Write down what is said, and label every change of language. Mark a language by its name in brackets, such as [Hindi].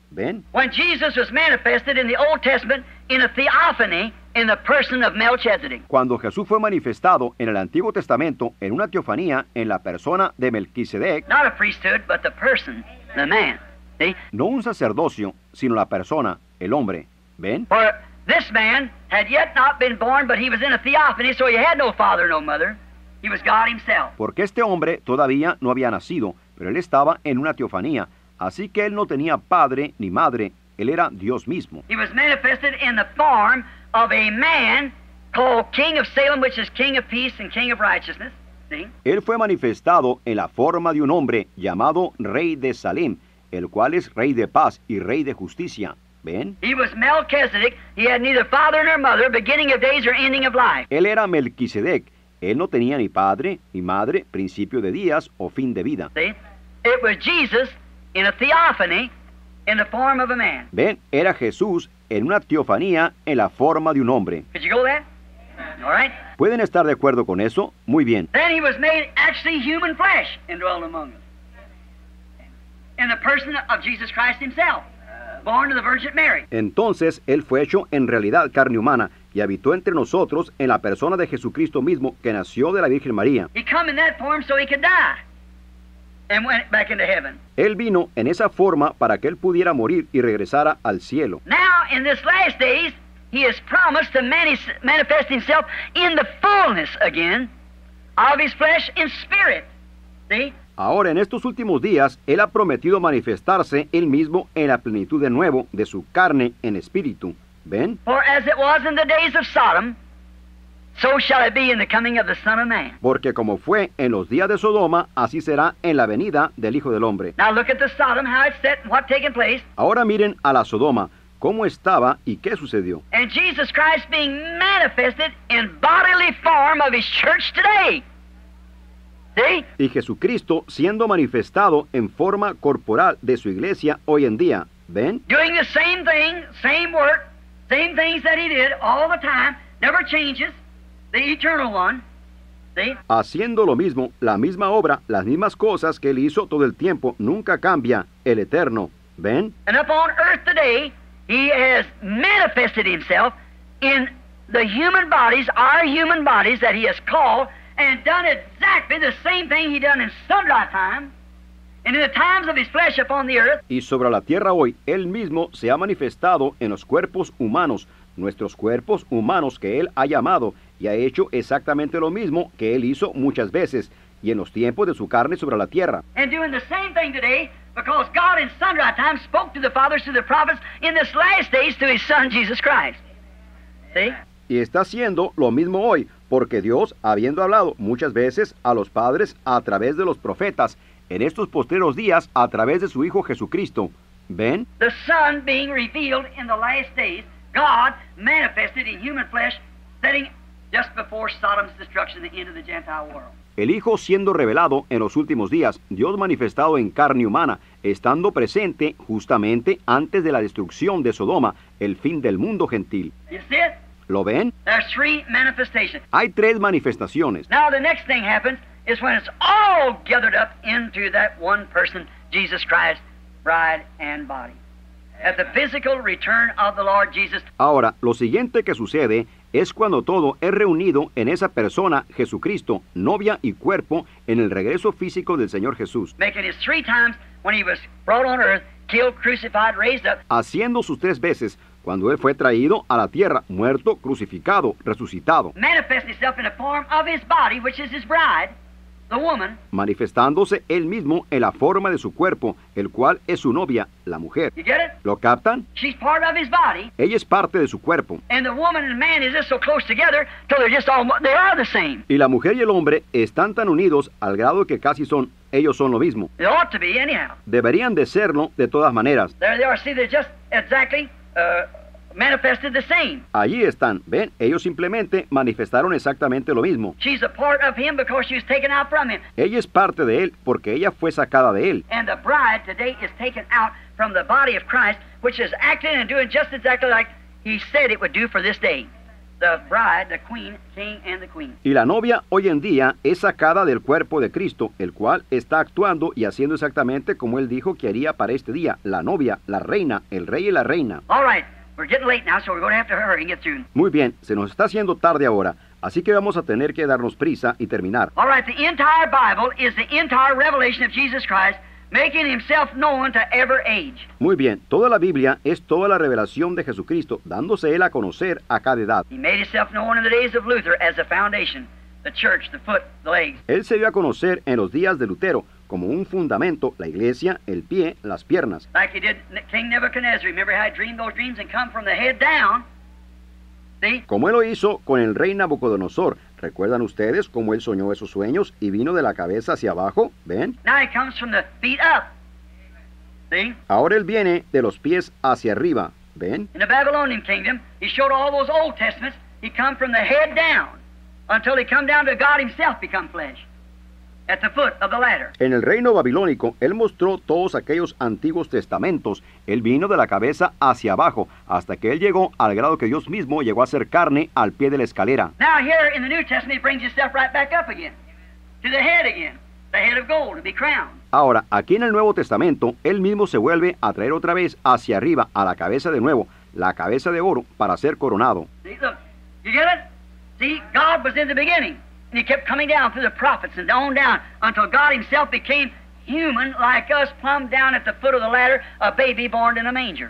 [Spanish] ¿Ven? [English] When Jesus was manifested in the Old Testament in a theophany in the person of Melchizedek. [Spanish] Cuando Jesús fue manifestado en el Antiguo Testamento en una teofanía en la persona de Melquisedec. [English] Not a priesthood, but the person, the man. See? [Spanish] No un sacerdocio, sino la persona, el hombre. ¿Ven? [English] For this man had yet not been born, but he was in a theophany, so he had no father, no mother. He was God himself. [Spanish] Porque este hombre todavía no había nacido, pero él estaba en una teofanía. Así que él no tenía padre ni madre, él era Dios mismo. [English] He was manifested in the form of a man called King of Salem, which is King of Peace and King of Righteousness. See? [Spanish] Él fue manifestado en la forma de un hombre llamado Rey de Salem, el cual es Rey de Paz y Rey de Justicia. ¿Ven? [English] He was Melchizedek. He had neither father nor mother, beginning of days or ending of life. [Spanish] Él era Melquisedec. Él no tenía ni padre ni madre, principio de días o fin de vida. [English] See? It was Jesus in a theophany, in the form of a man. [Spanish] Ven, era Jesús en una teofanía en la forma de un hombre. [English] Could you go there? All right. [Spanish] ¿Pueden estar de acuerdo con eso? Muy bien. [English] Then he was made actually human flesh and dwelt among us. In the person of Jesus Christ himself, born of the Virgin Mary. [Spanish] Entonces, él fue hecho en realidad carne humana y habitó entre nosotros en la persona de Jesucristo mismo que nació de la Virgen María. [English] He came in that form so he could die. And went back into heaven. [Spanish] Él vino en esa forma para que él pudiera morir y regresara al cielo. [English] Now, in this last days, he has promised to manifest himself in the fullness again of his flesh and spirit. See? [Spanish] Ahora, en estos últimos días, él ha prometido manifestarse él mismo en la plenitud de nuevo de su carne en espíritu. ¿Ven? [English] For as it was in the days of Sodom, so shall it be in the coming of the Son of Man. [Spanish] Porque como fue en los días de Sodoma, así será en la venida del Hijo del Hombre. [English] Now look at the Sodom, how it's set and what's taken place. [Spanish] Ahora miren a la Sodoma, cómo estaba y qué sucedió. [English] And Jesus Christ being manifested in bodily form of his church today. See? [Spanish] Y Jesucristo siendo manifestado en forma corporal de su iglesia hoy en día. ¿Ven? [English] Doing the same thing, same work, same things that he did all the time, never changes. The eternal one, see? [Spanish] Haciendo lo mismo, la misma obra, las mismas cosas que él hizo todo el tiempo, nunca cambia, el eterno. ¿Ven? [English] And up on earth today, he has manifested himself in the human bodies, our human bodies that he has called, and done exactly the same thing he done in sundry time, and in the times of his flesh upon the earth. [Spanish] Y sobre la tierra hoy, él mismo se ha manifestado en los cuerpos humanos, nuestros cuerpos humanos que él ha llamado, y ha hecho exactamente lo mismo que él hizo muchas veces, y en los tiempos de su carne sobre la tierra. [English] And doing the same thing today, because God in sundry times spoke to the fathers through the prophets in this last days to his son Jesus Christ. See? [Spanish] Y está haciendo lo mismo hoy, porque Dios, habiendo hablado muchas veces a los padres a través de los profetas, en estos postreros días a través de su Hijo Jesucristo. ¿Ven? [English] The Son being revealed in the last days, God manifested in human flesh, setting just before Sodom's destruction, the end of the Gentile world. [Spanish] El Hijo siendo revelado en los últimos días, Dios manifestado en carne humana, estando presente justamente antes de la destrucción de Sodoma, el fin del mundo gentil. [English] You see it? [Spanish] ¿Lo ven? [English] There's three manifestations. [Spanish] Hay tres manifestaciones. [English] Now the next thing happens is when it's all gathered up into that one person, Jesus Christ, bride and body. At the physical return of the Lord Jesus. [Spanish] Ahora, lo siguiente que sucede es cuando todo es reunido en esa persona, Jesucristo, novia y cuerpo, en el regreso físico del Señor Jesús. [English] Making his three times when he was brought on earth, killed, crucified, raised up. [Spanish] Haciendo sus tres veces, cuando él fue traído a la tierra, muerto, crucificado, resucitado. [English] Manifest himself in the form of his body, which is his bride. The woman, [Spanish] manifestándose él mismo en la forma de su cuerpo, el cual es su novia, la mujer. [English] You get it? [Spanish] ¿Lo captan? [English] She's part of his body. [Spanish] Ella es parte de su cuerpo. [English] And the woman and man is just so close together till they're just almost, they are the same. [Spanish] Y la mujer y el hombre están tan unidos al grado que casi son, ellos son lo mismo. [English] They ought to be anyhow. [Spanish] Deberían de serlo de todas maneras. [English] There they are. See, they're just exactly manifested the same. [Spanish] Allí están, ven, ellos simplemente manifestaron exactamente lo mismo. [English] She's a part of him because she was taken out from him. [Spanish] Ella es parte de él porque ella fue sacada de él. [English] And the bride today is taken out from the body of Christ, which is acting and doing just exactly like he said it would do for this day. The bride, the queen, king and the queen. [Spanish] Y la novia hoy en día es sacada del cuerpo de Cristo, el cual está actuando y haciendo exactamente como él dijo que haría para este día, la novia, la reina, el rey y la reina. [English] All right. We're getting late now, so we're going to have to hurry and get through. [Spanish] Muy bien, se nos está haciendo tarde ahora, así que vamos a tener que darnos prisa y terminar. [English] All right, the entire Bible is the entire revelation of Jesus Christ, making himself known to every age. [Spanish] Muy bien, toda la Biblia es toda la revelación de Jesucristo, dándose él a conocer a cada edad. [English] He made himself known in the days of Luther as the foundation, the church, the foot, the legs. [Spanish] Él se dio a conocer en los días de Lutero, como un fundamento, la iglesia, el pie, las piernas. [English] Like he did King Nebuchadnezzar. Remember how he dreamed those dreams and come from the head down? See? [Spanish] Como él lo hizo con el rey Nabucodonosor. ¿Recuerdan ustedes cómo él soñó esos sueños y vino de la cabeza hacia abajo? ¿Ven? [English] Now he comes from the feet up. See? [Spanish] Ahora él viene de los pies hacia arriba. ¿Ven? [English] In the Babylonian kingdom, he showed all those Old Testaments. He come from the head down until he come down to God himself become flesh. At the foot of the ladder. [Spanish] En el reino babilónico, él mostró todos aquellos antiguos testamentos. Él vino de la cabeza hacia abajo, hasta que él llegó al grado que Dios mismo llegó a ser carne al pie de la escalera. [English] Now here in the New Testament, he brings himself right back up again. To the head again. The head of gold to be crowned. [Spanish] Ahora, aquí en el Nuevo Testamento, él mismo se vuelve a traer otra vez hacia arriba, a la cabeza de nuevo, la cabeza de oro, para ser coronado. [English] See, look, you get it? See, God was in the beginning. And he kept coming down through the prophets and on down until God himself became human like us, plumb down at the foot of the ladder, a baby born in a manger.